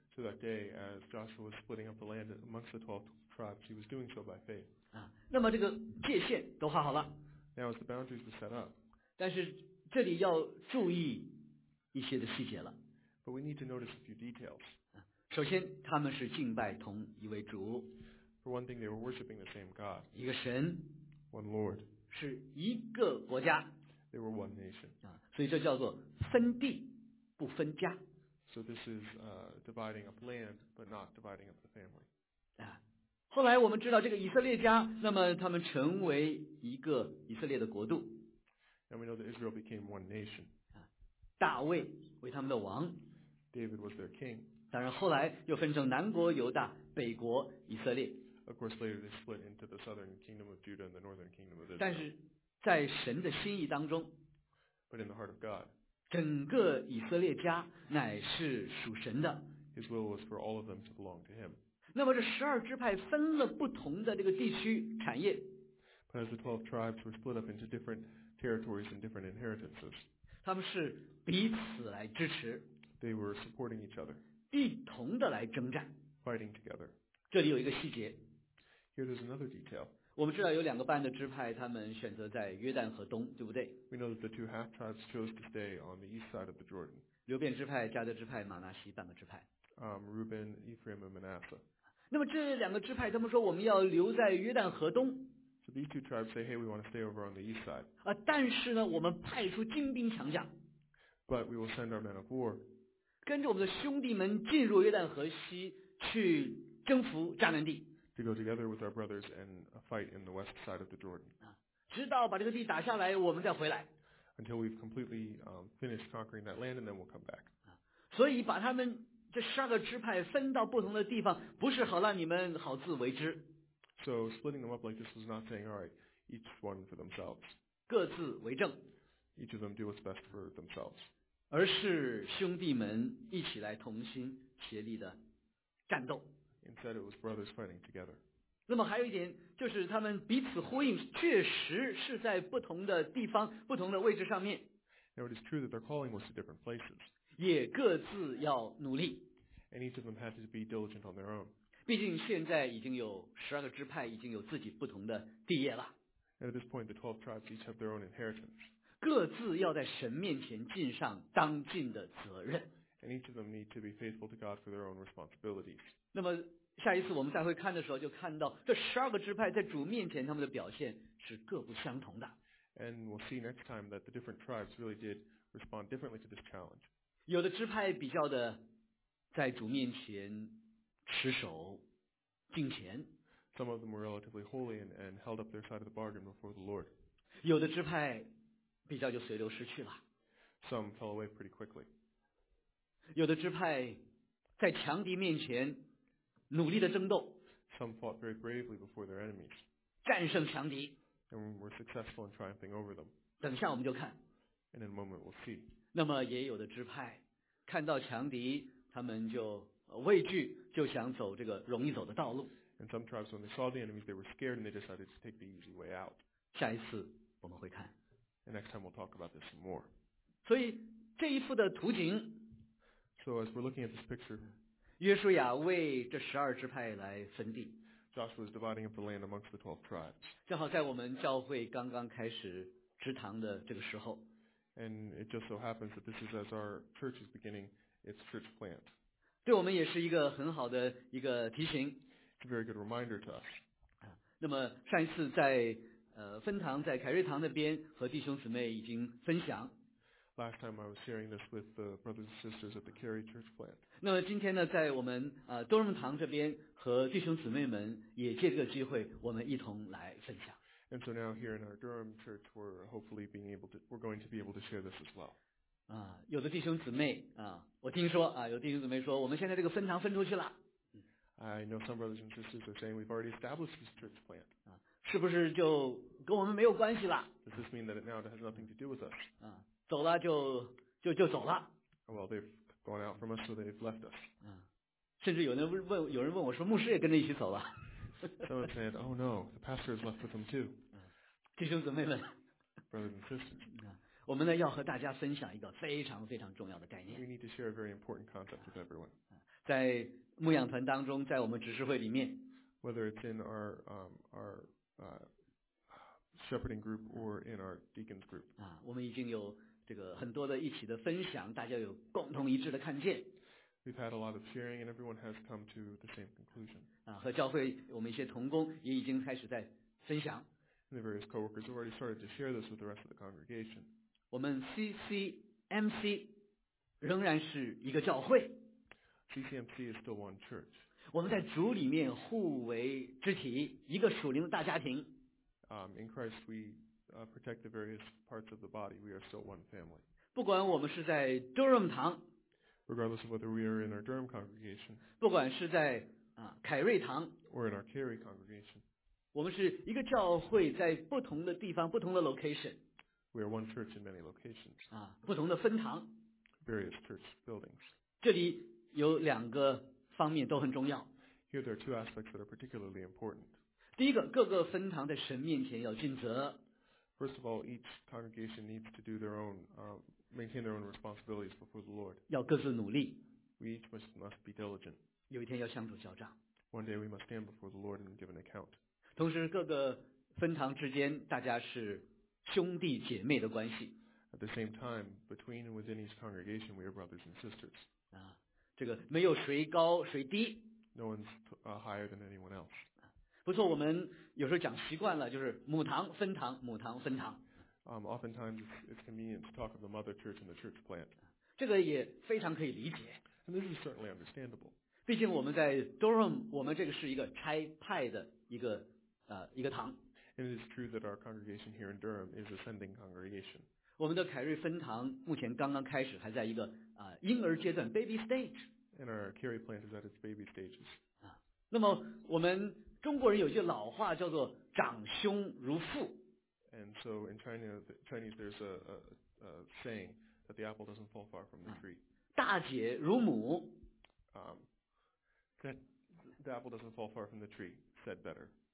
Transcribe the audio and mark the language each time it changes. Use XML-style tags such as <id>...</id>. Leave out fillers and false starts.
<en>So that day, as Joshua was splitting up the land amongst the 12 tribes, he was doing so by faith.</en> <zh>那么这个界限都画好了。</zh> <en>Now as the boundaries were set up.</en> <zh>但是这里要注意一些的细节了。</zh> <en>But we need to notice a few details.</en> <zh>首先，他们是敬拜同一位主。</zh> <en>For one thing, they were worshiping the same God.</en> <zh>一个神。</zh> <en>One Lord.</en> <zh>是一个国家。</zh> <en>They were one nation.</en> <zh>所以这叫做分地不分家。</zh> <en>So this is dividing up land, but not dividing up the family.</en> <zh>后来我们知道这个以色列家，那么他们成为一个以色列的国度。</zh> <en>And we know that Israel became one nation.</en> <zh>大卫为他们的王</zh> <en>David was their king.</en> <zh>当然后来又分成南国犹大北国以色列</zh> <en>Of course later they split into the southern kingdom of Judah and the northern kingdom of Israel.</en> <zh>但是在神的心意当中</zh> <en>But in the heart of God</en> <zh>整个以色列家乃是属神的</zh> <en>His will was for all of them to belong to him.</en> <zh>那么这十二支派分了不同的这个地区产业</zh> <en>But as the 12 tribes were split up into different territories and different inheritances.</en> <zh>他们是彼此来支持</zh> <en>They were supporting each other,</en> <zh>一同的来征战</zh> <en>fighting together.</en> <zh>这里有一个细节</zh> <en>Here there's another detail.</en> <zh>我们知道有两个半的支派他们选择在约旦河东对不对</zh> <en>We know that the two half-tribes chose to stay on the east side of the Jordan.</en> <zh>流便支派加德支派马拿西半个支派</zh> <en>Reuben, Ephraim, and Manasseh.</en> <zh>那么这两个支派他们说我们要留在约旦河东</zh> <en>So these two tribes say, hey, we want to stay over on the east side.</en> <zh>但是呢我们派出精兵强将。</zh> <en>But we will send our men of war.</en> <zh>跟着我们的兄弟们进入约旦河西去征服迦南地。</zh> <en>To go together with our brothers and fight in the west side of the Jordan.</en> <zh>直到把这个地打下来我们再回来。</zh> <en>Until we've completely finished conquering that land and then we'll come back.</en> <zh>所以把他们这十二个支派分到不同的地方不是好让你们好自为之。</zh> <en>So splitting them up like this was not saying, all right, each one for themselves.</en> <zh>各自为政。</zh> <en>Each of them do what's best for themselves.</en> <zh>而是兄弟们一起来同心协力的战斗。</zh> <en>Instead, it was brothers fighting together.</en> <zh>那么还有一点就是他们彼此呼应，确实是在不同的地方、不同的位置上面。</zh> <en>Now it is true that their calling was to different places.</en> <zh>也各自要努力。</zh> <en>And each of them had to be diligent on their own.</en> <zh>毕竟现在已经有十二个支派已经有自己不同的地业了。</zh> <en>At this point, the 12 tribes each have their own inheritance.</en> <zh>各自要在神面前尽上当尽的责任。</zh> <en>And each of them need to be faithful to God for their own responsibilities.</en> <zh>那么下一次我们再会看的时候就看到这十二个支派在主面前他们的表现是各不相同的。</zh> <en>And we'll see next time that the different tribes really did respond differently to this challenge.</en> <zh>有的支派比较的在主面前持守敬虔</zh> <en>Some of them were relatively holy and held up their side of the bargain before the Lord.</en> <zh>有的支派比较就随流失去了</zh> <en>Some fell away pretty quickly.</en> <zh>有的支派在强敌面前努力的争斗</zh> <en>Some fought very bravely before their enemies.</en> <zh>战胜强敌</zh> <en>And were successful in triumphing over them.</en> <zh>等下我们就看。</zh> <en>In a moment we'll see.</en> <zh>那么也有的支派看到强敌，他们就畏惧，就想走这个容易走的道路。</zh> <en>And some tribes, when they saw the enemies, they were scared and they decided to take the easy way out.</en> <zh>下一次我们会看。</zh> <en>And next time we'll talk about this some more.</en> <zh>所以这一幅的图景。</zh> <en>So as we're looking at this picture,</en> <zh>约书亚为这十二支派来分地。</zh> <en>Joshua is dividing up the land amongst the 12 tribes.</en> <zh>正好在我们教会刚刚开始执堂的这个时候。</zh> <en>And it just so happens that this is as our church is beginning its church plant.</en> <zh>对我们也是一个很好的一个提醒。</zh> <en>It's a very good reminder to us.</en> <zh>那么上一次在分堂在凯瑞堂那边和弟兄姊妹已经分享。</zh> <en>Last time I was sharing this with the brothers and sisters at the Cary Church Plant.</en> <zh>那么今天呢，在我们多伦堂这边和弟兄姊妹们也借这个机会，我们一同来分享。</zh> <en>And so now here in our Durham church, we're hopefully being able to, we're going to be able to share this as well.</en> <zh>有的弟兄姊妹我听说有弟兄姊妹说，我们现在这个分堂分出去了。</zh> <en>I know some brothers and sisters are saying we've already established this church plant.</en> <zh>是不是就跟我们没有关系了？</zh> <en>Does this mean that it now has nothing to do with us?</en> <zh>走了就走了。</zh> <en>Well, they've gone out from us, so they've left us.</en> <zh>甚至有人问我说，牧师也跟着一起走了。</zh> <en>Someone said, oh no, the pastor has left with them too.</en> <zh>弟兄姊妹们</zh> <en>Brothers and sisters,</en> <zh>我们呢要和大家分享一个非常非常重要的概念。</zh> <en>We need to share a very important concept with everyone.</en> <zh>在牧养团当中，在我们执事会里面。</zh> <en>Whether it's in our shepherding group or in our deacons group.</en> <zh>我们已经有这个很多的一起的分享，大家有共同一致的看见。</zh> <en>We've had a lot of sharing and everyone has come to the same conclusion.</en> <zh>和教会我们一些同工也已经开始在分享。</zh> <en>And the various co-workers have already started to share this with the rest of the congregation.</en> <zh>我们 CCMC 仍然是一个教会。</zh> <en>CCMC is still one church.</en> <zh>我们在主里面互为肢体，一个属灵的大家庭。</zh> <en>In Christ we protect the various parts of the body. We are still one family.</en> <zh>不管我们是在 Durham 堂。</zh> <en>Regardless of whether we are in our Durham congregation,</en> <zh>不管是在凯瑞堂</zh> <en>or in our Cary congregation,</en> <zh>我们是一个教会在不同的地方，不同的 location.</zh> <en>We are one church in many locations.</en> <zh>不同的分堂</zh> <en>various church buildings.</en> <zh>这里有两个方面都很重要</zh> <en>Here there are two aspects that are particularly important.</en> <zh>第一个，各个分堂在神面前要尽责</zh> <en>First of all, each congregation needs to do their own. Maintain their own responsibilities before the Lord.</en> <zh>要各自努力。</zh> <en>We each must be diligent.</en> <zh>有一天要相互交账。</zh> <en>One day we must stand before the Lord and give an account.</en> <zh>同时各个分堂之间大家是兄弟姐妹的关系。</zh> <en>At the same time, between and within each congregation, we are brothers and sisters.</en> <zh>这个没有谁高谁低。</zh> <en>No one's higher than anyone else.</en> <zh>不错，我们有时候讲习惯了，就是母堂分堂，母堂分堂。</zh> <en>Oftentimes it's convenient to talk of the mother church and the church plant.</en> <zh>这个也非常可以理解。</zh> <en>And this is certainly understandable.</en> <zh>毕竟我们在 Durham, 我们这个是一个差派的一个堂。</zh> <en>And it is true that our congregation here in Durham is a sending congregation.</en> <zh>我们的凯瑞分堂目前刚刚开始，还在一个婴儿阶段</zh> <en>baby stage. And our Cary plant is at its baby stages.</en> <zh>那么我们中国人有句老话叫做长兄如父。</zh> <en>And so in Chinese, there's a saying that the apple doesn't fall far from the tree.</en> <zh>大姐如母。</zh> <en>That the apple doesn't fall far from the tree, said better.</en>